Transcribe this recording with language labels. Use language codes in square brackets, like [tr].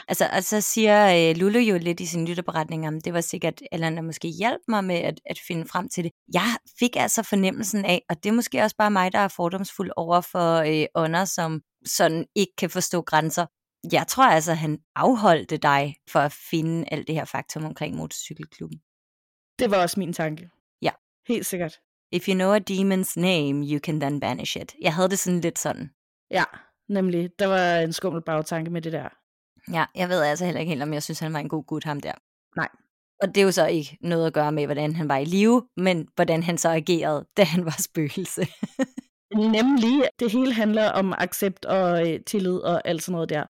[da] Altså, og så siger Lulu jo lidt i sin lytterberetning, om det var sikkert, eller der måske hjalp mig med at finde frem til det. Jeg fik altså fornemmelsen af, og det er måske også bare mig, der er fordomsfuld over for ånder, som sådan ikke kan forstå grænser. Jeg tror altså, han afholdte dig for at finde alt det her faktum omkring motorcykelklubben. Det var også min tanke. Ja. Helt sikkert. [en] If you know a demon's name, you can then banish it. [da] Jeg havde det sådan lidt sådan. Ja, nemlig. Der var en skummel bagtanke med det der. Ja, jeg ved altså heller ikke helt, om jeg synes, han var en god gut, ham der. Nej. Og det er jo så ikke noget at gøre med, hvordan han var i live, men hvordan han så agerede, da han var spøgelse. Nemlig. Det hele handler om accept og tillid og alt sådan noget der.